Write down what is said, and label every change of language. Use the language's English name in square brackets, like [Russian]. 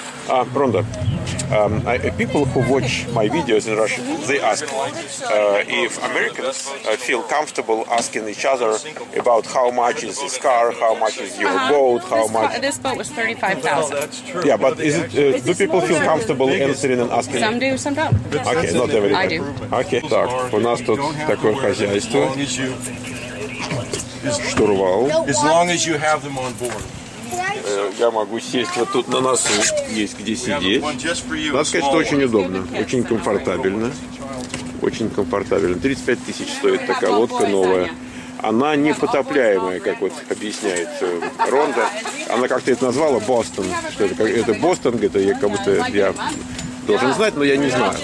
[English] А, Ронда, people who watch my videos in Russian, they ask if Americans feel comfortable asking each other about how much is this car, how much is your boat, how much... This boat was $35,000. Yeah, but is it, do people feel comfortable answering and asking? Some do, some don't. Okay, not everybody. I do. [Russian] Okay, так, у нас тут такое хозяйство. Штурвал. [English] As long as you have them on board. [Russian] Я могу сесть вот тут на носу, есть где сидеть. Надо сказать, что очень удобно, очень комфортабельно. Очень комфортабельно. 35 тысяч стоит такая лодка новая. Она не потопляемая, как вот объясняет Ронда. Она как-то это назвала Бостон. Что это Бостон, это я как будто я должен знать, но я не знаю.